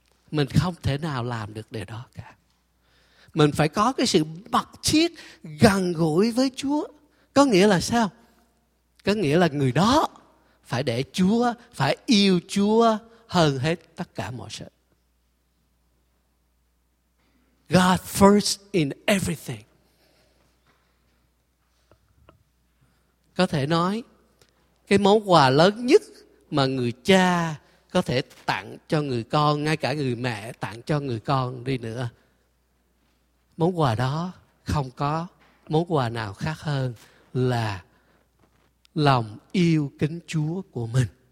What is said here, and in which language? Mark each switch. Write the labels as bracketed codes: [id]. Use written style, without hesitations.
[vi] Mình không thể nào làm được điều đó cả. Mình phải có cái sự mật thiết gần gũi với Chúa. Có nghĩa là sao? Có nghĩa là người đó phải để Chúa, phải yêu Chúa hơn hết tất cả mọi sự. [en] God first in everything. [vi] Có thể nói, cái món quà lớn nhất mà người cha có thể tặng cho người con, ngay cả người mẹ tặng cho người con đi nữa, món quà đó không có món quà nào khác hơn là lòng yêu kính Chúa của mình.